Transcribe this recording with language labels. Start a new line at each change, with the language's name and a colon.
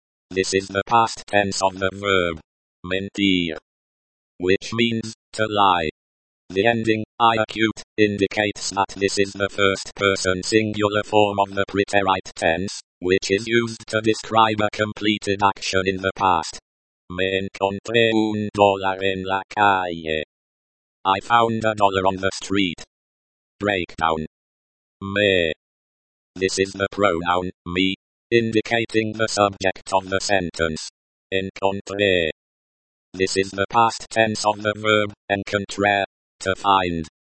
English: This is the past tense of the verb mentir, which means to lie. The ending, I acute, indicates that this is the first person singular form of the preterite tense, which is used to describe a completed action in the past.
Spanish: Me encontré un dólar en la calle.
English: I found a dollar on the street. Breakdown. Me. This is the pronoun, me, indicating the subject of the sentence. Encontré. This is the past tense of the verb, encontrar, to find.